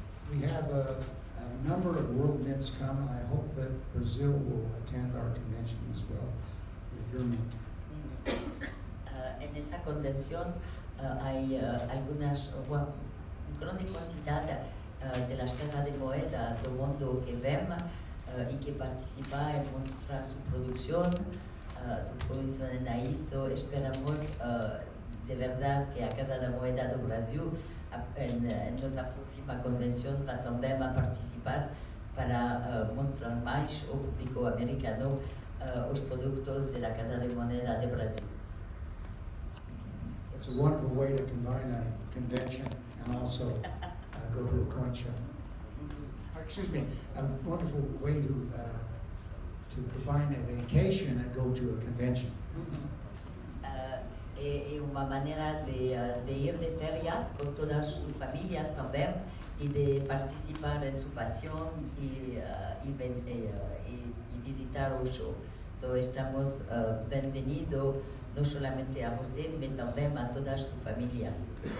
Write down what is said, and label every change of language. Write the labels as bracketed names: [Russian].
[English] We have a number of world mints come, and I hope that Brazil will attend our convention as well with your mint. [Spanish] En esta convención hay algunas grande cantidad de las casas de moeda del mundo que ven y que participa y muestra su producción en AISO. Esperamos de verdad que la Casa de Moeda del Brasil en nuestra próxima convención va también a participar para mostrar más al público americano los productos de la Casa de Moneda de Brasil. [English] It's a wonderful way to combine a convention and also go to a coin show. Mm-hmm. Excuse me, a wonderful way to combine a vacation and go to a convention. [Spanish] Es una manera de ir de ferias con todas sus familias también y de participar en su pasión y visitar un show. So estamos bienvenidos. [Portuguese] não somente a você, mas também a todas as suas famílias.